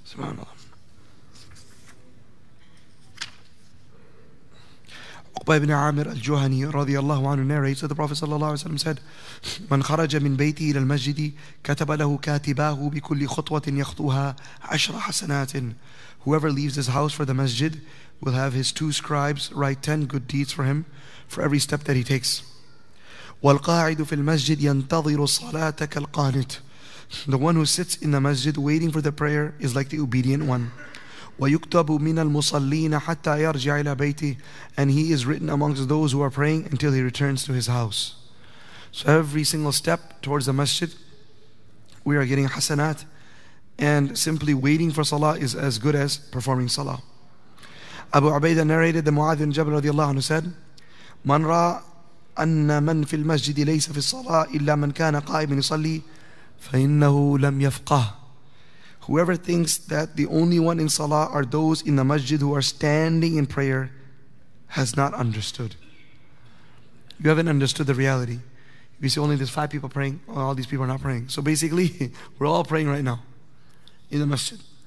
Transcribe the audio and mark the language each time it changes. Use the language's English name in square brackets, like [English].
[English] Uqba ibn Amir al-Juhani radiyallahu anhu narrates that the Prophet sallallahu alayhi wa sallam said, من خرج من بيتي إلى المسجد كتب له كاتباه بكل خطوة يخطوها عشر حسنات. Whoever leaves his house for the masjid will have his two scribes write 10 good deeds for him for every step that he takes. [Arabic] والقاعد في المسجد ينتظر صلاتك القانت. [English] The one who sits in the masjid waiting for the prayer is like the obedient one. [Arabic] ويكتب من المصلين حتى يرجع إلى بيته. [English] And he is written amongst those who are praying until he returns to his house. So every single step towards the masjid, we are getting hasanat. And simply waiting for salah is as good as performing salah. [Arabic] Abu Ubaidah narrated that Mu'adh bin Jabal radiallahu anhu said, من رأى أن من في المسجد ليس في الصلاة إلا من كان قائما يصلي فَإِنَّهُ لَمْ يَفْقَهُ. [English] Whoever thinks that the only one in salah are those in the masjid who are standing in prayer has not understood. You haven't understood the reality. We see only there's five people praying, all these people are not praying. So basically, we're all praying right now in the masjid.